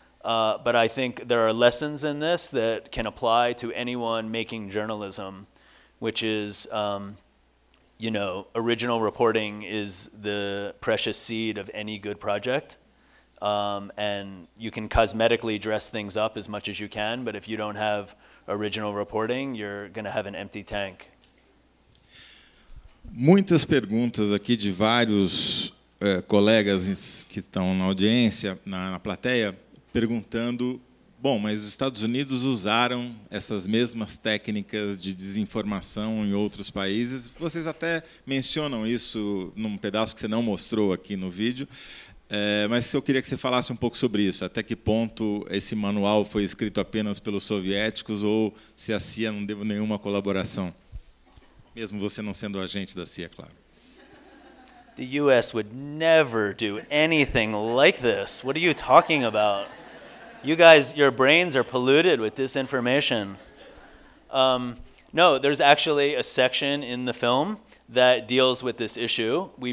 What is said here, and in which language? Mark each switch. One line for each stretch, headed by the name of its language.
English: But I think there are lessons in this that can apply to anyone making journalism, which is, you know, original reporting is the precious seed of any good project. And you can cosmetically dress things up as much as you can, but if you don't have original reporting, you're going to have an empty tank.
Portuguese: Muitas perguntas aqui de vários colegas que estão na audiência, na plateia, perguntando, bom, mas os Estados Unidos usaram essas mesmas técnicas de desinformação em outros países. Vocês até mencionam isso num pedaço que você não mostrou aqui no vídeo, mas eu queria que você falasse um pouco sobre isso. Até que ponto esse manual foi escrito apenas pelos soviéticos ou se a CIA não deu nenhuma colaboração? Mesmo você não sendo agente da CIA, claro.
English: The US would never do anything like this. What are you talking about? You guys, your brains are polluted with disinformation. No, there's actually a section in the film that deals with this issue.